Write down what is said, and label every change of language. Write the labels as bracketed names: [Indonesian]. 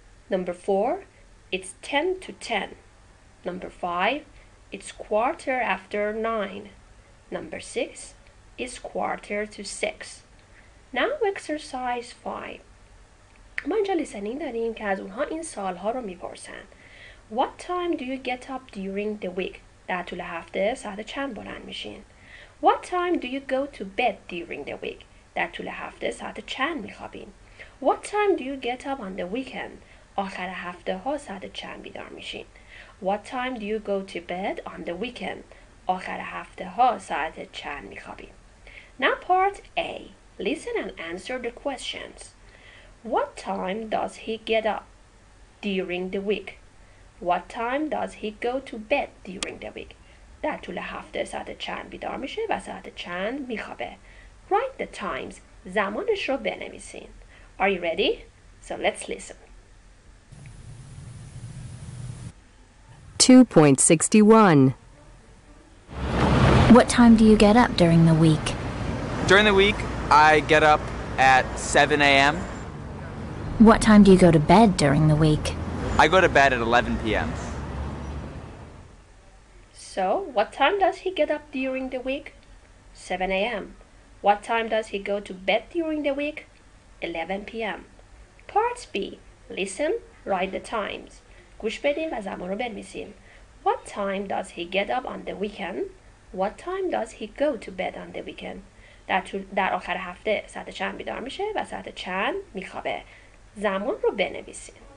[English] Number 4, it's 9:50. Number 5, it's 9:15. Number 6, it's 6:15. Now exercise 5. [Persian] ما اینجا لیسنینگ داریم که از اونها این سوالها رو میپرسن. [English] What time do you get up during the week? [Persian] در طول هفته ساعت چند بلند میشین؟ [English] What time do you go to bed during the week? [Persian] در طول هفته ساعت چند میخوابین؟ [English] What time do you get up on the weekend? [Persian] آخر هفته ها ساعت چند بیدار میشین؟ [English] What time do you go to bed on the weekend? [Persian] آخر هفته ها ساعت چند میخوابین؟ [English] Now part A. Listen and answer the questions. What time does he get up during the week? What time does he go to bed during the week? [Persian] در طول هفته ساعت چند بیدار میشه و ساعت چند میخوابه؟ [English] Write the times. [Persian] زمانش رو بنویسین. [English] Are you ready? So let's listen. 2.61. What time do you get up during the week? During the week, I get up at 7 a.m. What time do you go to bed during the week? I go to bed at 11 p.m. So, what time does he get up during the week? 7 a.m. What time does he go to bed during the week? 11 p.m. Part B. Listen, write the times. [Persian] گوش بدین و زمان رو بنویسین. [English] What time does he get up on the weekend? What time does he go to bed on the weekend? [Persian] در آخر هفته ساعت چند بیدار میشه و ساعت چند میخوابه؟ زمان رو بنویسین.